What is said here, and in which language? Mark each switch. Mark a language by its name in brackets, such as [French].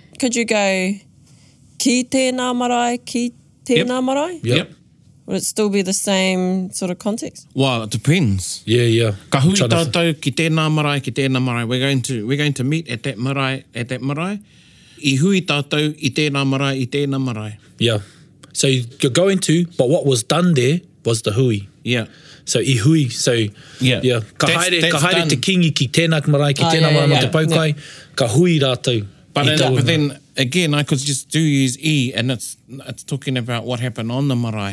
[English] Could you go, [Māori] ki tēnā marae, ki tēnā [English] yep. marae? Yep. Yep. Would it still be the same sort of context? Well, it depends. Yeah, yeah. [Māori] Ka hui tātou ki tēnā marae, ki tēnā marae. [English] We're going to meet at that marae, at that marae. [Māori] I hui tātou I tēnā marae, I tēnā marae. [English] Yeah. So you're going to, but what was done there was the hui. Yeah. So I hui, so yeah, [Māori] yeah. Ka haere, ka haere te kingi ki tēnā marae, ki tēnā marae te paukai, ka hui rātou. [English] But then again, I could just do use e, and it's talking about what happened on the marae.